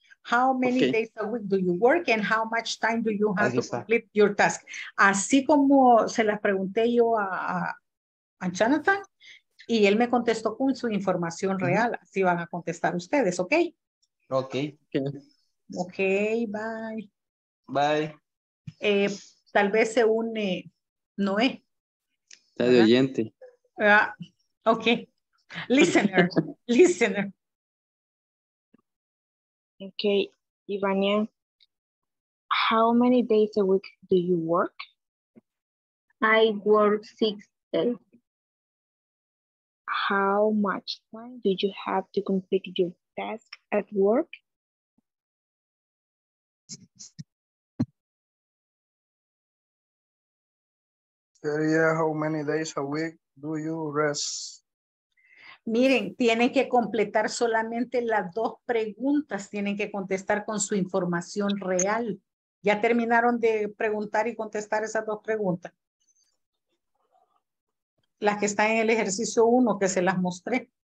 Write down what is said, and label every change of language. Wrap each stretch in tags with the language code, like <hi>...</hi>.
<en>How many days a week do you work and how much time do you have to complete your task?</en> <es>Así como se las pregunté yo a Jonathan y él me contestó con su información real. Así van a contestar ustedes, ¿ok?</es> <en>Ok, bye. Bye.</en> <es>Tal vez se une Noé. Está de oyente.</es> <en>Ok. Listener. Okay, Ivania, how many days a week do you work? I work 6 days. How much time do you have to complete your task at work? How many days a week do you rest?</en> <es>Miren, tienen que completar solamente las dos preguntas. Tienen que contestar con su información real. ¿Ya terminaron de preguntar y contestar esas dos preguntas? Las que están en el ejercicio 1 que se las mostré.</es>